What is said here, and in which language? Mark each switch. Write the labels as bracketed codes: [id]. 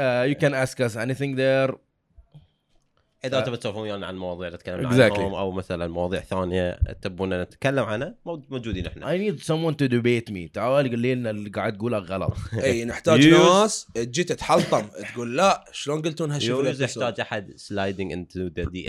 [en] You can ask us anything there. [ar] إذا تبي تعرفون يعني عن مواضيع نتكلم عنهم أو مثلاً مواضيع ثانية تبون نتكلم عنها موجودين إحنا. [en] I need someone to debate me. [ar] تعال قل لي إن اللي قاعد تقوله غلط. إيه نحتاج ناس تجي تتحلطم تقول لا شلون قلتون هالشغلة. نحتاج أحد [en] sliding into the DM.